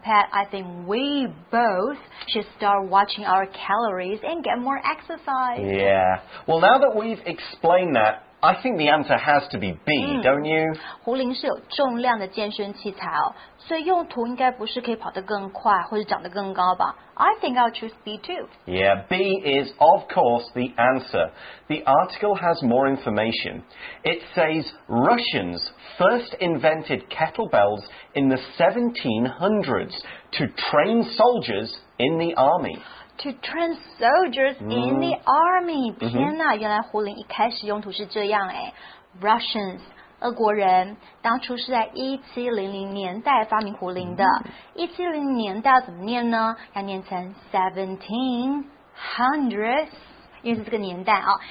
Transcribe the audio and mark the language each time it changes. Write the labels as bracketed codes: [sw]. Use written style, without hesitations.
[en] Pat, I think we both should start watching our calories and get more exercise. Yeah. Well, now that we've explained that, I think the answer has to be B, don't you? [zh] 壶铃是有重量的健身器材哦，所以用途应该不是可以跑得更快或者长得更高吧。 [en] I think I'll choose B too. Yeah, B is of course the answer. The article has more information. It says Russians first invented kettlebells in the 1700s to train soldiers in the army. To train soldiers in the army. [zh] 天哪，原来壶铃一开始用途是这样哎。 [en] Russians. [zh] 俄国人当初是在1700年代发明壶铃的。 1700年代怎么念呢？要念成 1700s， 因为是这个年代啊。